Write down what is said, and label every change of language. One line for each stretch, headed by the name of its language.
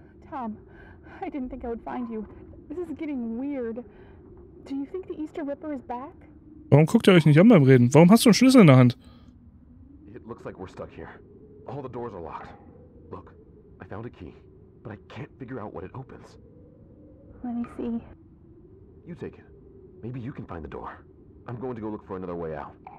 English: Tom, I didn't think I would find you. This is getting weird. Do you think the Easter Ripper is back?
German: Warum guckt ihr euch nicht an beim Reden? Warum hast du einen Schlüssel in der Hand?
English: It looks like we're stuck here. All the doors are locked. Look, I found a key, but I can't figure out what it opens. Let me see. You take it. Maybe you can find the door. I'm going to go look for another way out.